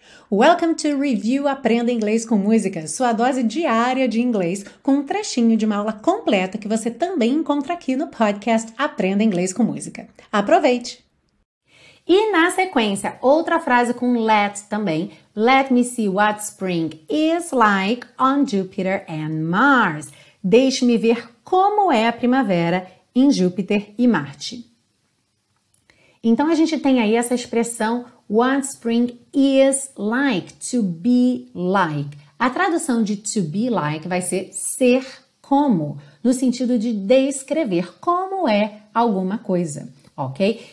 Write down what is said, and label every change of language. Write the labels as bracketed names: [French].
[English] Welcome to Review [Portuguese] Aprenda Inglês com Música, sua dose diária de inglês, com um trechinho de uma aula completa que você também encontra aqui no podcast Aprenda Inglês com Música. Aproveite! E na sequência, outra frase com let também. [English] Let me see what spring is like on Jupiter and Mars. [Portuguese] Deixe-me ver como é a primavera em Júpiter e Marte. Então a gente tem aí essa expressão [English] what spring is like, to be like. [Portuguese] A tradução de [English] to be like [Portuguese] vai ser como, no sentido de descrever como é alguma coisa, ok?